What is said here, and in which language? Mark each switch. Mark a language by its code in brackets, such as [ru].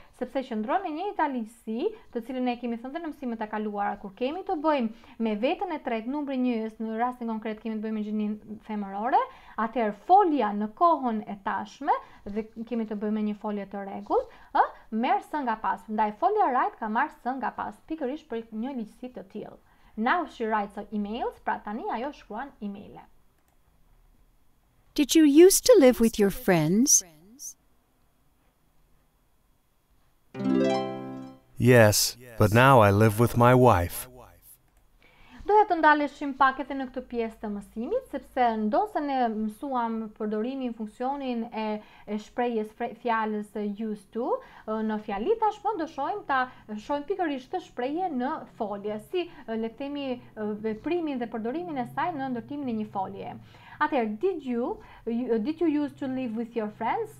[sq] Sepse qëndron në një italisi, të cilën ne kemi thënë në mësimet e kaluara, kur kemi të bëjmë me veten e tretë numri njëjës, në rastin konkret kemi të bëjmë me gjinin femërore, atëherë folja në kohën e tashme, dhe kemi të bëjmë me një folje të rregullt, merr së nga pas. Ndaj folja write ka marrë së nga pas, pikërisht për një ligjësi të tillë. [en] Now she writes emails, [sq] pra tani ajo shkruan emaile. [en] Did you used to live with your friends? Yes, but now I live with my wife. [sq] Duhet të ndaleshim pak edhe në këtë pjesë të mësimit, sepse ndonse ne mësuam përdorimin, funksionin e shprehjes fjalës used to, në fjali tashmë do shohim pikërisht të shprehje në folje, si le të themi veprimin dhe përdorimin e saj në ndërtimin e një folje. [en] Atëherë, did you used to live with your friends?